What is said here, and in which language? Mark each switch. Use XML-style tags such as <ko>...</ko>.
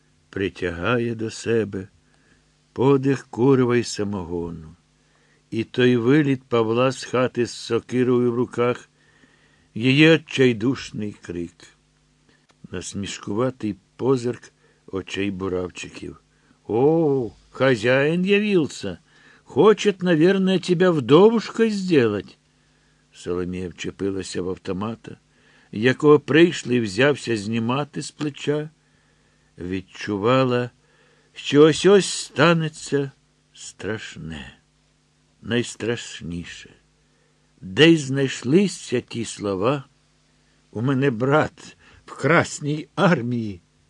<uk>Притягає до себе подих курва й самогону. І той виліт Павла з хати з сокирою в руках, її відчайдушний крик. Насмішкуватий позирк очей буравчиків.</uk> <ru>«О, хазяїн явілся! Хочет, наверное, тебя вдовушкой сделать!»</ru> <uk>Соломія вчепилася в автомата, якого прийшли взявся знімати з плеча. відчувала, що ось-ось станеться страшне, найстрашніше. Десь знайшлися ті слова: «У мене брат в Красній армії».</uk>